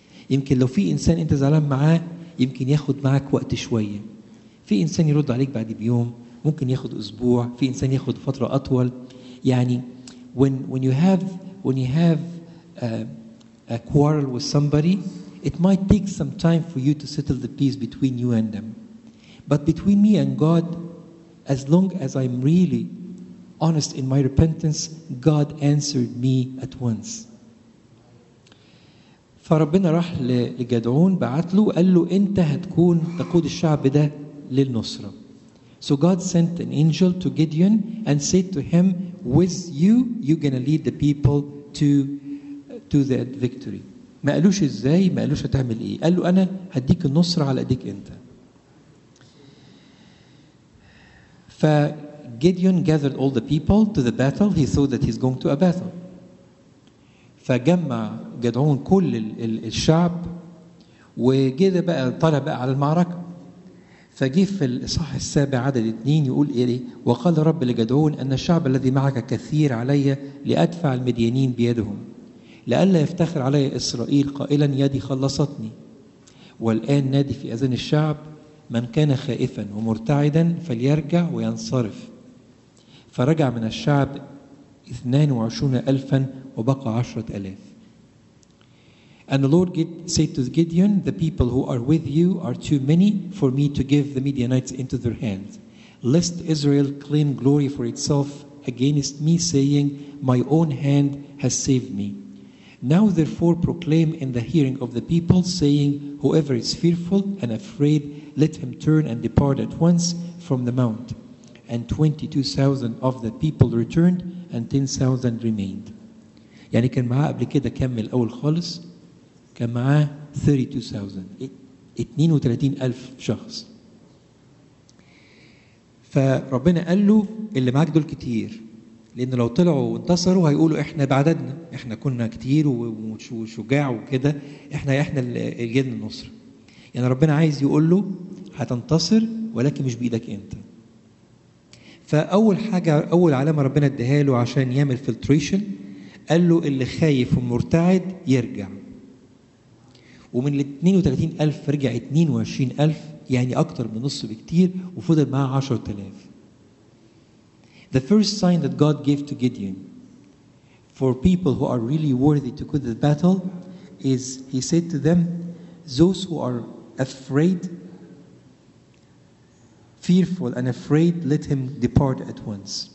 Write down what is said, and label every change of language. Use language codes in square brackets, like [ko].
[ar] يمكن لو في إنسان أنت زعلان معاه يمكن ياخد معك وقت شوية، في إنسان يرد عليك بعد بيوم، ممكن ياخد أسبوع، في إنسان ياخد فترة أطول. يعني [en] when you have a quarrel with somebody, it might take some time for you to settle the peace between you and them. But between me and God, as long as I'm really honest in my repentance, God answered me at once. [ar] فربنا راح لجدعون بعت له قال له انت هتكون تقود الشعب ده للنصرة. [en] So God sent an angel to Gideon and said to him, with you, you're going to lead the people to that victory. [ar] ما قالوش ازاي، ما قالوش هتعمل ايه، قال له انا هديك النصرة على ايديك انت. [en] فGideon gathered all the people to the battle. He thought that he's going to a battle. [ar] فجمع جدعون كل الشعب وجده بقى طلع بقى على المعركة. فجي في الإصحاح السابع عدد 2 يقول إيه، وقال رب لجدعون أن الشعب الذي معك كثير علي لأدفع المديانين بيدهم لألا يفتخر علي إسرائيل قائلا يدي خلصتني. والآن نادي في أذن الشعب من كان خائفا ومرتعدا فليرجع وينصرف. فرجع من الشعب 22,000 وبقى 10,000. [en] And the Lord said to Gideon, the people who are with you are too many for me to give the Midianites into their hands, lest Israel claim glory for itself against me, saying, my own hand has saved me. Now therefore proclaim in the hearing of the people, saying, whoever is fearful and afraid, let him turn and depart at once from the mount. And 22,000 of the people returned and 10,000 remained. [ar] يعني كان معاه قبل كده كمل أول خالص، كان معاه 32,000 شخص. فربنا قال له اللي معاك دول كتير، لأن لو طلعوا وانتصروا هيقولوا إحنا بعددنا، إحنا كنا كتير وشجاع وكده، إحنا اللي جينا النصر. يعني ربنا عايز يقول له هتنتصر ولكن مش بإيدك أنت. فأول حاجة، أول علامة ربنا اديها له عشان يعمل فلتريشن، قال له اللي خايف ومرتعد يرجع. ومن ال 32,000 رجع 22,000، يعني أكتر من نص بكتير، وفضل معه 10,000. [en] The first sign that God gave to Gideon for people who are really worthy to go to the battle is he said to them, those who are afraid, fearful and afraid, let him depart at once.